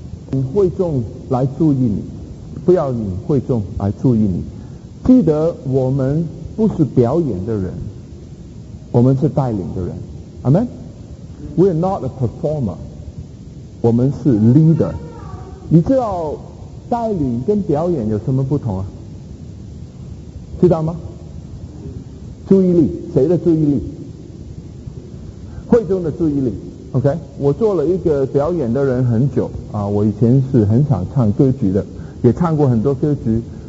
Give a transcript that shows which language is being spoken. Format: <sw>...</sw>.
<zh>你会众来注意你，不要你会众来注意你。记得我们不是表演的人，我们是带领的人。</zh> <en>Amen。 We are not a performer，</en> <zh>我们是</zh> <en>leader。</en> <zh>你知道？带领跟表演有什么不同啊？知道吗？注意力，谁的注意力？会众的注意力。 OK， 我做了一个表演的人很久啊，我以前是很想唱歌曲的，也唱过很多歌曲。</zh>